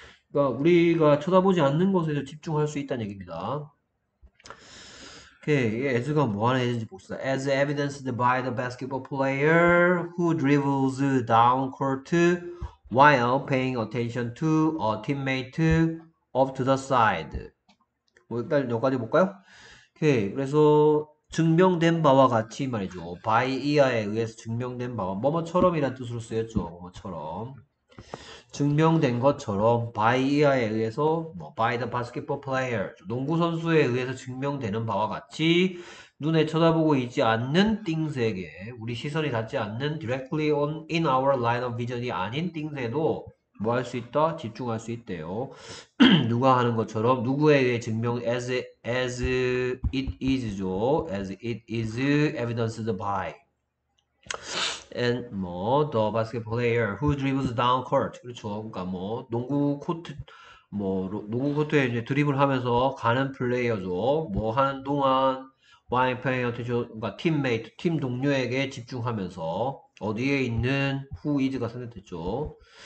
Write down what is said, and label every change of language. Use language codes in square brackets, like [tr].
[ko] 그러니까 우리가 쳐다보지 않는 것에도 집중할 수 있다는 얘기입니다. 오케이, 에즈가 뭐 하는 애인지 봅시다. [en] As evidenced by the basketball player who dribbles down court while paying attention to a teammate off to the side. [ko] 뭐 일단 여기까지 볼까요? 오케이, 그래서 증명된 바와 같이 말이죠. by 이하에 의해서 증명된 바와 뭐뭐처럼이란 뜻으로 쓰였죠. 뭐처럼 증명된 것처럼 by 이하에 의해서 뭐 [en] by the basketball player [ko] 농구 선수에 의해서 증명되는 바와 같이 눈에 쳐다보고 있지 않는 띵스에게 우리 시선이 닿지 않는 [en] directly on in our line of vision [ko] 이 아닌 띵스에도 뭐할수 있다? 집중할 수 있대요. 누가 하는 것처럼 누구에게 증명 as it is죠. [en] as it is evidenced by and 뭐 the basketball player who dribbles down court 그렇죠. [ko] 그러니까 뭐 농구 코트 뭐 농구 코트에 이제 드리블 하면서 가는 플레이어죠. 뭐 하는 동안 와인 플레이어한테 그러니까 팀메이트 팀 동료에게 집중하면서 어디에 있는 who is가 선택됐죠.